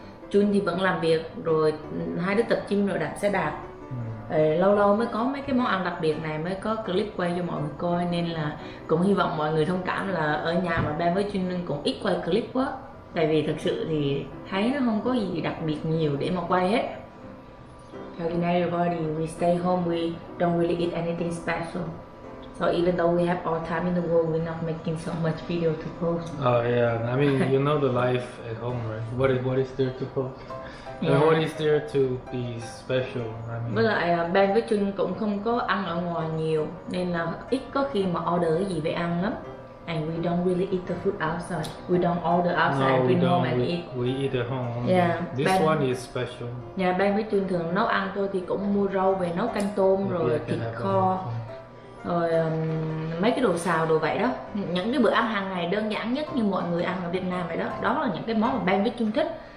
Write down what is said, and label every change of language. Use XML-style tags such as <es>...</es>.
<vi>Jun thì vẫn làm việc, rồi hai đứa tập gym rồi đạp xe đạp. Lâu lâu mới có mấy cái món ăn đặc biệt này, mới có clip quay cho mọi người coi. Nên là cũng hy vọng mọi người thông cảm là ở nhà mà Ben với Jun cũng ít quay clip quá. Tại vì thực sự thì thấy nó không có gì đặc biệt nhiều để mà quay hết.</vi> <en>In everybody, we stay home, we don't really eat anything special. So even though we have all time in the world, we're not making so much video to post. Oh yeah, I mean, you know the life at home, right? What is there to post? Yeah. What is there to be special? I mean,</en> <vi>với lại Ben với Jun cũng không có ăn ở ngoài nhiều, nên là ít có khi mà order gì về ăn lắm.</vi> <en>And we don't really eat the food outside. We don't order outside, bring home and eat. We eat at home. Yeah, this one is special.</en> <vi>Nhà Ben với Jun thường nấu ăn thôi thì cũng mua rau về nấu canh tôm,</vi> <en>maybe</en> <vi>rồi thịt kho, rồi mấy cái đồ xào đồ vậy đó. Những cái bữa ăn hàng ngày đơn giản nhất như mọi người ăn ở Việt Nam vậy đó. Đó là những cái món mà Ben với Jun thích.</vi>